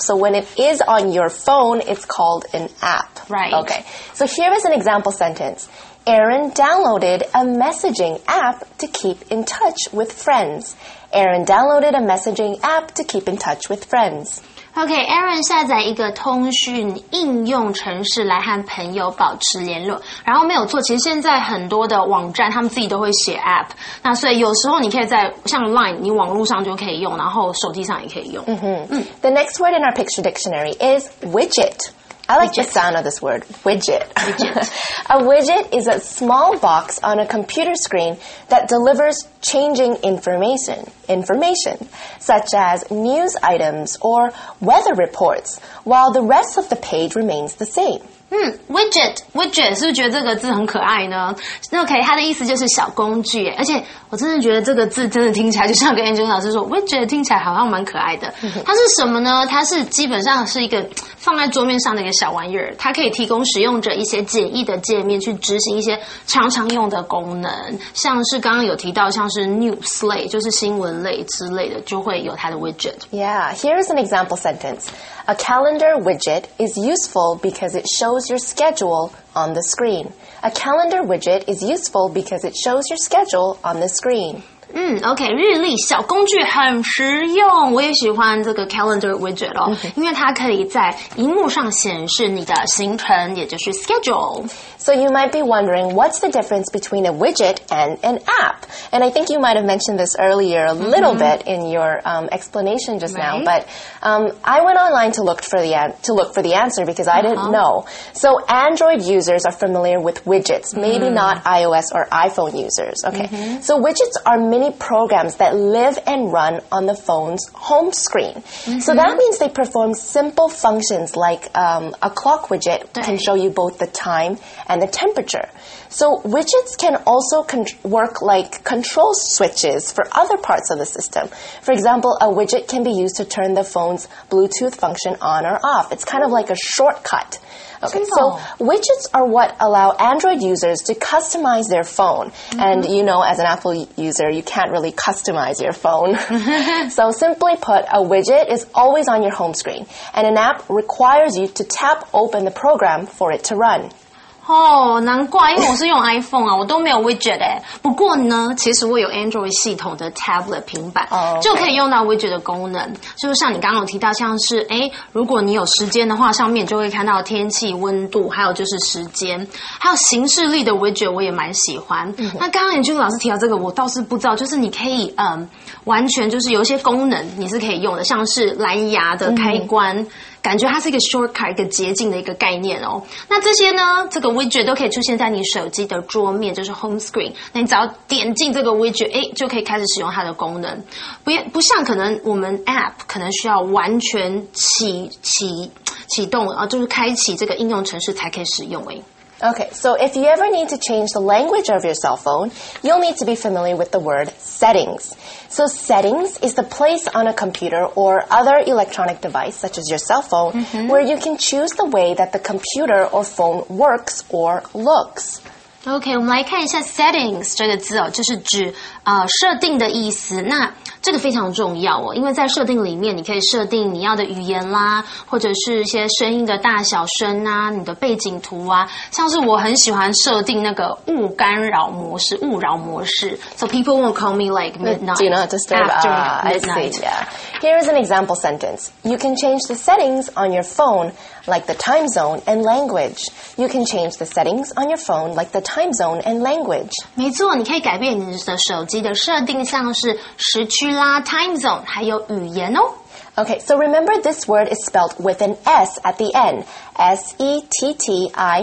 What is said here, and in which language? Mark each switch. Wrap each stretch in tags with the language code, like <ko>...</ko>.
<en>So when it is on your phone, it's called an app. Right. Okay. So here is an example sentence. Aaron downloaded a messaging app to keep in touch with friends. Aaron downloaded a messaging app to keep in touch with friends.</en> <zh>Okay, Aaron 下载一个通讯应用程式来和朋友保持联络。然后没有错，其实现在很多的网站他们自己都会写 app。那所以有时候你可以在像 Line， 你网络上就可以用，然后手机上也可以用。</zh> <en>The next word in our picture dictionary is widget. I like the sound of this word, widget. A widget is a small box on a computer screen that delivers changing information, such as news items or weather reports, while the rest of the page remains the same.</en> <zh>Widget 是不是觉得这个字很可爱呢 ？OK， 它的意思就是小工具，而且我真的觉得这个字真的听起来就像跟 Angela 老师说 ，Widget 听起来好像蛮可爱的。它是什么呢？它是基本上是一个放在桌面上的一个小玩意儿，它可以提供使用者一些简易的界面去执行一些常常用的功能，像是刚刚有提到，像是 news 类就是新闻类之类的，就会有它的 widget。</zh> <en>Yeah， here is an example sentence. A calendar widget is useful because it shows your schedule on the screen. A calendar widget is useful because it shows your schedule on the screen.</en> <zh>OK, 日历小工具很实用，我也喜欢这个 calendar widget 哦，因为它可以在荧幕上显示你的行程，也就是 schedule.</zh> <en>So you might be wondering, what's the difference between a widget and an app? And I think you might have mentioned this earlier a little bit in your explanation just now, but I went online to look for the answer because I didn't know. So Android users are familiar with widgets, maybe not iOS or iPhone users. Okay, so widgets are many programs that live and run on the phone's home screen. So that means they perform simple functions like a clock widget can show you both the time and the temperature. So widgets can also work like control switches for other parts of the system. For example, a widget can be used to turn the phone's Bluetooth function on or off. It's kind of like a shortcut. Okay, so widgets are what allow Android users to customize their phone. And you know, as an Apple user, you can't really customize your phone. So simply put, a widget is always on your home screen. And an app requires you to tap open the program for it to run.</en> <zh>哦，难怪，因为我是用 iPhone 啊，我都没有 widget 哎。不过呢，其实我有 Android 系统的 tablet 平板，</zh> <en>oh, okay.</en> <zh>就可以用到 widget 的功能。就是像你刚刚有提到，像是哎，如果你有时间的话，上面就会看到天气、温度，还有就是时间，还有行事历的 widget 我也蛮喜欢。那刚刚 Angela 老师提到这个，我倒是不知道，就是你可以完全就是有一些功能你是可以用的，像是蓝牙的开关。感觉它是一个 shortcut 一个捷径的一个概念哦。那这些呢，这个 widget 都可以出现在你手机的桌面，就是 home screen。那你只要点进这个 widget， 哎，就可以开始使用它的功能。不像可能我们 app 可能需要完全启动啊，就是开启这个应用程式才可以使用哎。</zh> <en>Okay, so if you ever need to change the language of your cell phone, you'll need to be familiar with the word settings. So settings is the place on a computer or other electronic device, such as your cell phone, where you can choose the way that the computer or phone works or looks.</en> <zh>OK, 我们来看一下 settings 这个字哦，就是指设定的意思。那这个非常重要哦，因为在设定里面你可以设定你要的语言啦，或者是一些声音的大小声啊，你的背景图啊，像是我很喜欢设定那个勿干扰模式，勿扰模式。</zh> <en>So people won't call me like midnight. Do you not disturb after midnight? I see, Here is an example sentence. You can change the settings on your phone like the time zone and language. You can change the settings on your phone like the time zone and language.</en> <zh>没错，你可以改变你的手机的设定，像是时区啦、time zone, 还有语言哦。</zh> <en>Okay, so remember this word is spelled with an S at the end. S-E-T-T-I-N-G-S.</en>